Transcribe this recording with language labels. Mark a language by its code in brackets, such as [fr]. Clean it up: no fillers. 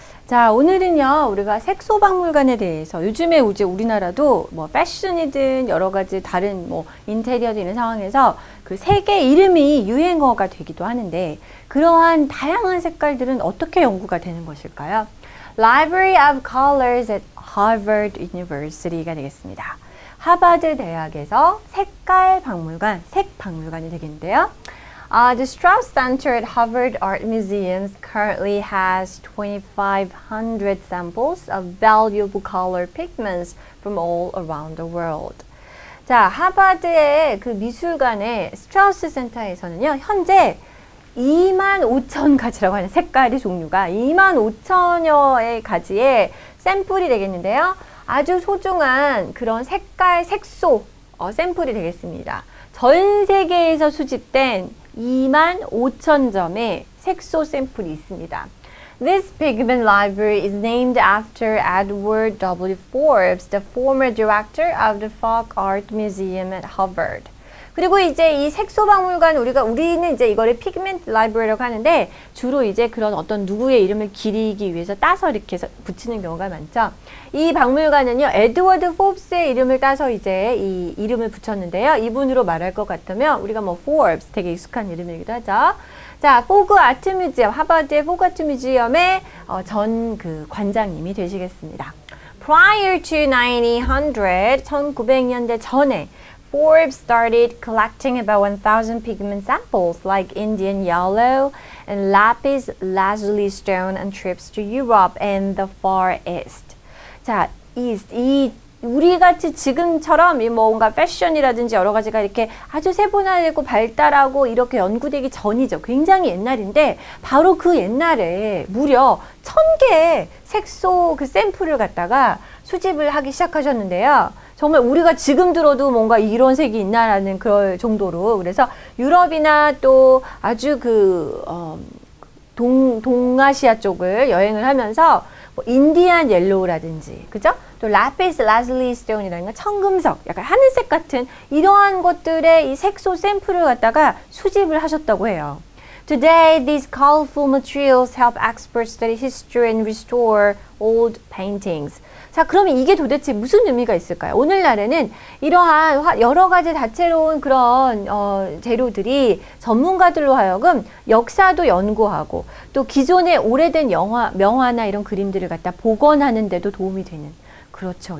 [ko] 자, 오늘은요, 우리가 색소박물관에 대해서 요즘에 이제 우리나라도 뭐 패션이든 여러 가지 다른 뭐 인테리어도 있는 상황에서 그 색의 이름이 유행어가 되기도 하는데 그러한 다양한 색깔들은 어떻게 연구가 되는 것일까요? [en] Library of Colors at Harvard University [ko] 가 되겠습니다. 하버드 대학에서 색깔 박물관, 색 박물관이 되겠는데요. [en] The Strauss Center at Harvard Art Museums currently has 2,500 samples of valuable color pigments from all around the world. [ko] 자, 하버드의 그 미술관의 스트라우스 센터에서는요, 현재 2만 5천 가지라고 하는 색깔의 종류가 2만 5천여의 가지의 샘플이 되겠는데요. 아주 소중한 그런 색깔, 색소, 샘플이 되겠습니다. 전 세계에서 수집된 2만 5천 점의 색소 샘플이 있습니다. [en] This pigment library is named after Edward W. Forbes, the former director of the Folk Art Museum at Harvard. [ko] 그리고 이제 이 색소 박물관, 우리는 이제 이거를 pigment library라고 하는데 주로 이제 그런 어떤 누구의 이름을 기리기 위해서 따서 이렇게 해서 붙이는 경우가 많죠. 이 박물관은요, 에드워드 포브스의 이름을 따서 이제 이 이름을 붙였는데요. 이분으로 말할 것 같으면 우리가 뭐 포브스 되게 익숙한 이름이기도 하죠. 자, 포그 아트 뮤지엄, 하버드의 포그 아트 뮤지엄의 전그 관장님이 되시겠습니다. [en] Prior to 1900, [ko] 1900년대 전에 [en] Forbes started collecting about 1,000 pigment samples like Indian yellow and lapis lazuli stone on trips to Europe and the Far East. [ko] 자, East. 이 우리같이 지금처럼 이 뭔가 패션이라든지 여러 가지가 이렇게 아주 세분화되고 발달하고 이렇게 연구되기 전이죠. 굉장히 옛날인데 바로 그 옛날에 무려 1,000개의 색소 그 샘플을 갖다가 수집을 하기 시작하셨는데요. 정말 우리가 지금 들어도 뭔가 이런 색이 있나라는 그럴 정도로 그래서 유럽이나 또 아주 그, 동아시아 쪽을 여행을 하면서 뭐 인디안 옐로우라든지, 그죠? 또 라피스 라즐리 스톤이라든가 청금석, 약간 하늘색 같은 이러한 것들의 이 색소 샘플을 갖다가 수집을 하셨다고 해요. [en] Today, these colorful materials help experts study history and restore old paintings. [ko] 자, 그러면 이게 도대체 무슨 의미가 있을까요? 오늘날에는 이러한 여러 가지 다채로운 그런 재료들이 전문가들로 하여금 역사도 연구하고 또 기존의 오래된 명화나 이런 그림들을 갖다 복원하는 데도 도움이 되는. 그렇죠.